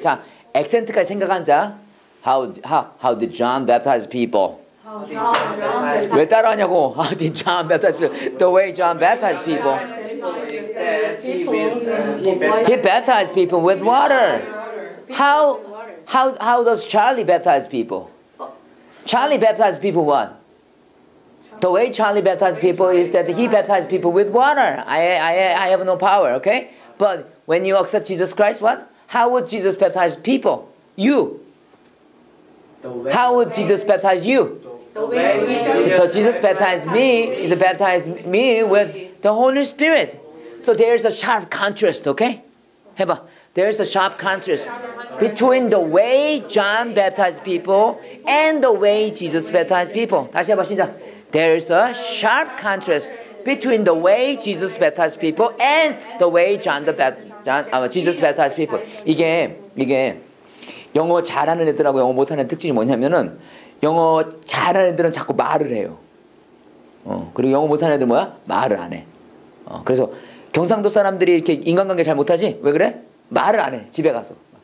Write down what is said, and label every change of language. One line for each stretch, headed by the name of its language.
Korean: 자, 액센트까지 생각한 자.
English: How did John baptize people? John.
Korean: 왜 따라하냐고?
English: How did John baptize people? The way John baptized people. He baptized people with water. How does Charlie baptize people? Charlie baptized people what? The way Charlie baptized people is that he baptized people with water. I have no power, okay? But when you accept Jesus Christ, what? How would Jesus baptize people? You. How would Jesus baptize you? So Jesus baptized me, he baptized me with the Holy Spirit. So there's a sharp contrast, okay? There's a sharp contrast between the way John baptized people and the way Jesus baptized people.
Korean: 다시 해봐, 시작.
English: There's a sharp contrast between the way Jesus baptized people and the way Jesus baptized people.
Korean: 이게 영어 잘하는 애들하고 영어 못하는 특징이 뭐냐면은 영어 잘하는 애들은 자꾸 말을 해요. 그리고 영어 못하는 애들 뭐야? 말을 안 해. 그래서 경상도 사람들이 이렇게 인간관계 잘 못하지? 왜 그래? 말을 안 해. 집에 가서.